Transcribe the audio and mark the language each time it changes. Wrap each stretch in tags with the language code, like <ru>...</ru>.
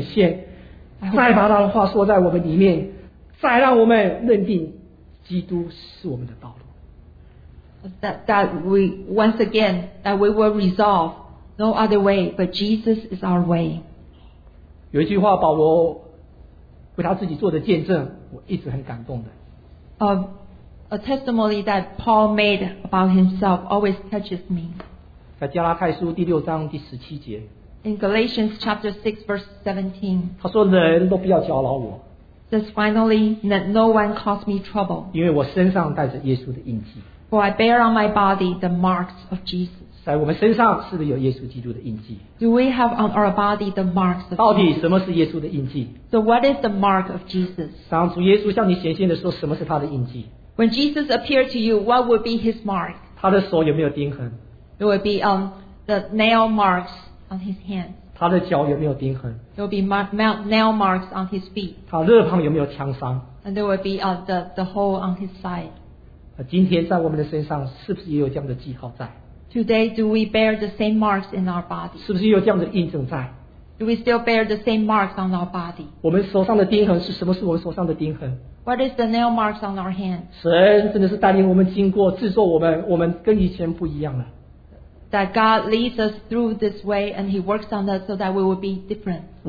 <zh>我们盼望是神那样的亲属摆在我们里面再向我们显现再把他的话说在我们里面 再让我们认定基督是我们的道路。</zh> <en>That we once again that we will resolve no other way but Jesus is our way.</en> <zh>有一句话保罗为他自己做的见证我一直很感动的。</zh> <en>A testimony that Paul made about himself always touches me.</en> <zh>在加拉太书第六章第十七节。</zh> <en>In Galatians chapter 6 verse 17.</en> <zh>他说人都不要搅扰我。</zh> <en>Says finally, let no one cause me trouble. For I bear on my body the marks of Jesus. Do we have on our body the marks of Jesus?</en> <zh>到底什么是耶稣的印记?</zh> <en>So what is the mark of Jesus?</en> <zh>当主耶稣向你显现的时候，什么是他的印记?</zh> <en>When Jesus appeared to you, what would be his mark?</en> <zh>他的手有没有钉痕?</zh> <en>It would be the nail marks on his hand.</en> <zh>他的脚有没有钉痕?</zh> <en>There will be nail marks on his feet.</en> <zh>他肋旁有没有枪伤?</zh> <en>And there will be the hole on his side.</en> <zh>今天在我们的身上是不是也有这样的记号在?</zh> <en>Today, do we bear the same marks in our body?</en> <zh>是不是也有这样的印证在?</zh> <en>Do we still bear the same marks on our body?</en> <zh>我们手上的钉痕是, 什么是我们手上的钉痕?</zh> <en>What is the nail marks on our hand?</en> <zh>神真的是带领我们经过, 制作我们, 我们跟以前不一样了。</zh> <en>That God leads us through this way and He works on us so that we will be different.</en>